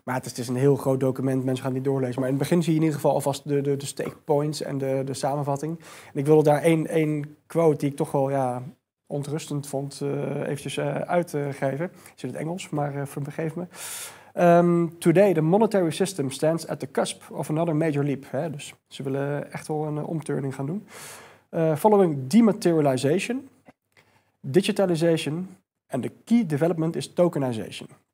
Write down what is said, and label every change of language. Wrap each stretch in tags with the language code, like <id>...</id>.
<nl>Maar het is een heel groot document, mensen gaan het niet doorlezen. Maar in het begin zie je in ieder geval alvast de stake points en de samenvatting. En ik wilde daar één quote die ik toch wel ontrustend vond eventjes uitgeven. Ik zit in het Engels, maar vergeef me.</nl> <en>Today the monetary system stands at the cusp of another major leap. Hè?</en> <nl>Dus ze willen echt wel een omturning gaan doen.</nl> <en>Following dematerialization, digitalization and the key development is tokenization.</en>